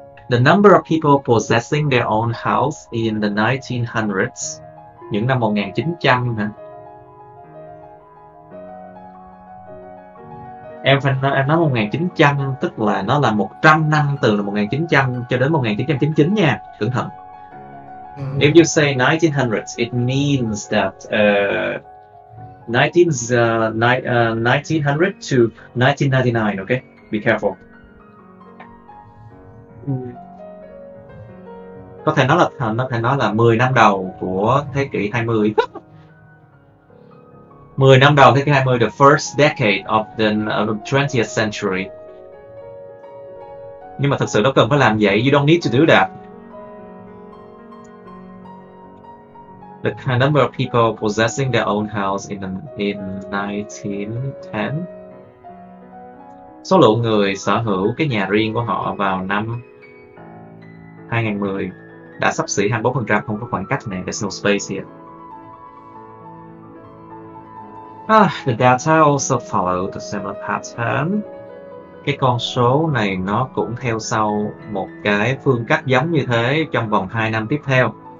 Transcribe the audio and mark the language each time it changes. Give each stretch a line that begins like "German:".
English: The number of people possessing their own house in the 1900s,
Vietnamese: những năm 1900 hả? Em nói 1900, tức là nó là 100 năm từ 1900 cho đến 1999 nha, cẩn thận.
English: If you say 1900s, it means that 1900 to 1999, okay? Be careful.
Vietnamese: Có thể nói là 10 năm đầu của thế kỷ 20. 10 năm đầu thế kỷ 20,
English: the first decade of the 20th century.
Vietnamese: Nhưng mà thực sự nó cần phải làm vậy,
English: you don't need to do that. The kind of number of people possessing their own house in 1910.
Vietnamese: Số lượng người sở hữu cái nhà riêng của họ vào năm 2010 đã sắp xỉ 24%, không có khoảng cách này,
English: there's no space here. The data also follow the similar pattern.
Vietnamese: Cái con số này nó cũng theo sau một cái phương cách giống như thế trong vòng 2 năm tiếp theo.